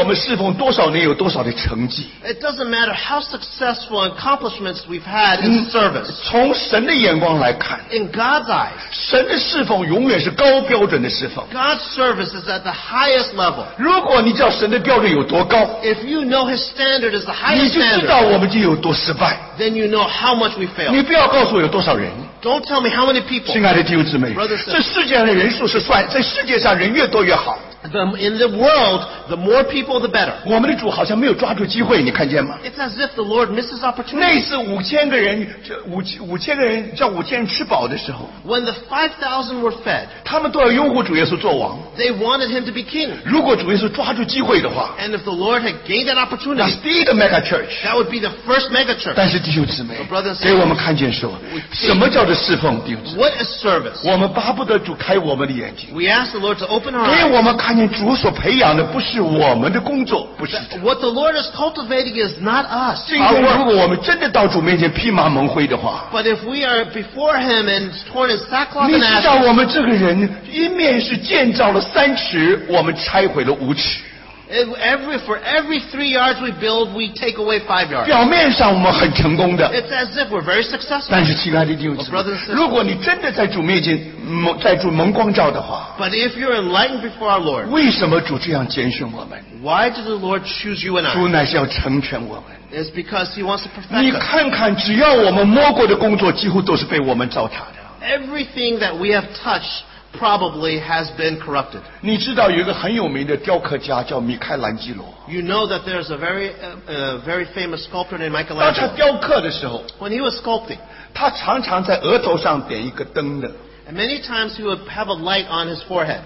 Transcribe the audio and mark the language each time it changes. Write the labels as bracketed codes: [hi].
[zh] 不管今天我们侍奉多少年有多少的成绩, [en] it doesn't matter how successful accomplishments we've had in service. [zh] 从神的眼光来看, [en] in God's eyes, [zh] 神的侍奉永远是高标准的侍奉, [en] God's service is at the highest level. [zh] 如果你知道神的标准有多高, [en] if you know his standard is the highest standard, [zh] 你就知道我们就有多失败, [en] then you know how much we fail. [zh] 你不要告诉我有多少人, [en] don't tell me how many people. [zh] 亲爱的弟兄姊妹, [en] brothers, [zh] 在世界上人越多越好, [en] in the world, the more people, the better. [zh] 我们的主好像没有抓住机会, 你看见吗? [en] It's as if the Lord misses opportunity. [zh] 那次五千个人叫五千人吃饱的时候, [en] when the 5,000 were fed, [zh] 他们都要拥护主耶稣做王, [en] they wanted him to be king. [zh] 如果主耶稣抓住机会的话, [en] and if the Lord had gained that opportunity, that's the first mega church. That would be the first mega church. [zh] 但是弟兄姊妹, [en] but brothers and sisters, [zh] 给我们看见说, 什么叫做侍奉, 弟兄姊妹, [en] what is service? [zh] 我们巴不得主开我们的眼睛, [en] we ask the Lord to open our eyes. [zh] 看见主所培养的不是我们的工作, [en] what the Lord is cultivating is not us. [zh] 今天如果我们真的到主面前披麻蒙灰的话, [en] but if we are before him and torn in sackcloth and ashes, [zh] 你知道我们这个人一面是建造了三尺, 我们拆毁了五尺, [en] for every 3 yards we build, we take away 5 yards. [zh] 表面上我们很成功的, [en] it's as if we're very successful. [zh] 但是亲爱的弟兄姊妹, 如果你真的在主面前, 在主蒙光照的话, [en] but if you're enlightened before our Lord, [zh] 为什么主这样拣选我们? [en] Why did the Lord choose you and I? [zh] 主乃是要成全我们, [en] it's because he wants to perfect us. [zh] 你看看, 只要我们摸过的工作, 几乎都是被我们糟蹋的, [en] everything that we have touched probably has been corrupted. [zh] 你知道有一个很有名的雕刻家叫米开朗基罗, [en] you know that there's a very famous sculptor named Michelangelo. [zh] 当他雕刻的时候, [en] when he was sculpting, [zh] 他常常在额头上点一个灯的, [en] and many times he would have a light on his forehead.